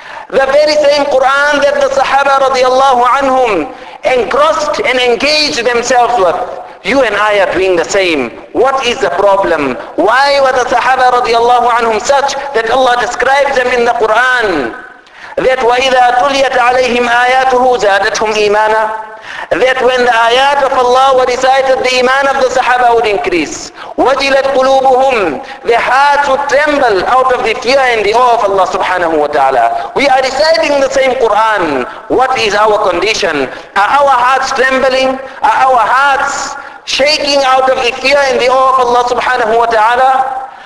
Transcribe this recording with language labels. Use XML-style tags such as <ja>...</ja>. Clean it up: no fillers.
<en>The very same Quran that the Sahaba radiallahu anhum engrossed and engaged themselves with, you and I are doing the same. What is the problem? Why were the Sahaba radiallahu anhum such that Allah describes them in the Quran?</en> <ar>That وَإِذَا تُلِيَتْ عَلَيْهِمْ آيَاتُهُ زَادَتْهُمْ إِيمَانًا.</ar> <en>That when the ayat of Allah were recited, the iman of the Sahaba would increase.</en> <ar>وَجِلَتْ قُلُوبُهُمْ.</ar> <en>Their hearts would tremble out of the fear and the awe of Allah subhanahu wa ta'ala. We are reciting the same Quran. What is our condition? Are our hearts trembling? Are our hearts shaking out of the fear and the awe of Allah subhanahu wa ta'ala?</en>